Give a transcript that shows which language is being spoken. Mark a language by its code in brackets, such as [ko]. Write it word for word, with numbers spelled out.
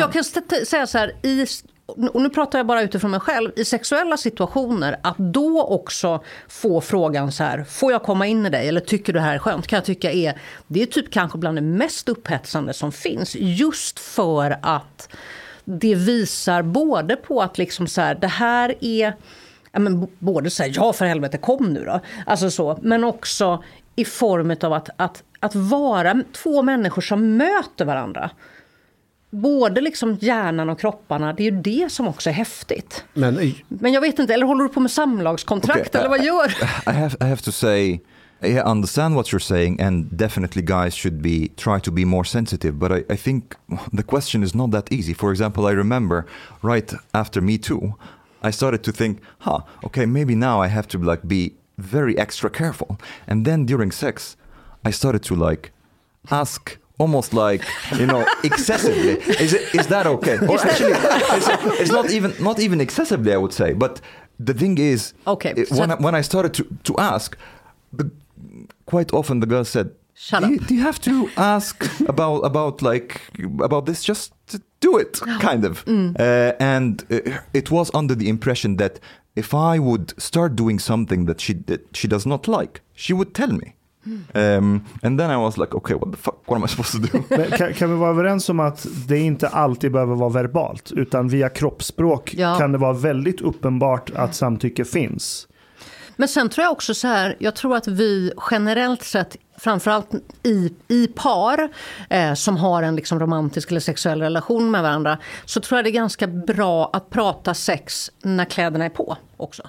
[sv] Jag kan st- säga så här, i, och nu pratar jag bara utifrån mig själv, i sexuella situationer, att då också få frågan så här, får jag komma in i dig eller tycker du det här är skönt? Kan jag tycka är, det är typ kanske bland det mest upphetsande som finns, just för att det visar både på att liksom så här, det här är, ja men b- både så här, ja för helvete kom nu då, alltså så, men också i form av att, att, att vara två människor som möter varandra. Både liksom hjärnan och kropparna, det är ju det som också är häftigt. Men, Men jag vet inte, eller håller du på med samlagskontrakt okay, eller vad gör [en] I have, I have to say, I understand what you're saying and definitely guys should be, try to be more sensitive. But I, I think the question is not that easy. For example, I remember right after Me Too, I started to think, huh, okay, maybe now I have to like be very extra careful. And then during sex, I started to like ask almost like, you know, excessively. Is it, is that okay? Or actually, it's, it's not even not even excessively, I would say. But the thing is, okay, it, when I, when I started to, to ask, the, quite often the girl said, "Shut do up." You, do you have to ask about about like about this? Just do it, kind of. Mm. Uh, and uh, it was under the impression that if I would start doing something that she that she does not like, she would tell me. Um, and then I was like, okay, what the fuck, what am I supposed to do? [sv] Kan, kan vi vara överens om att det inte alltid behöver vara verbalt, utan via kroppsspråk ja. Kan det vara väldigt uppenbart att samtycke finns. Men sen tror jag också så här, jag tror att vi generellt sett, framförallt i, i par eh, som har en liksom romantisk eller sexuell relation med varandra, så tror jag det är ganska bra att prata sex när kläderna är på också.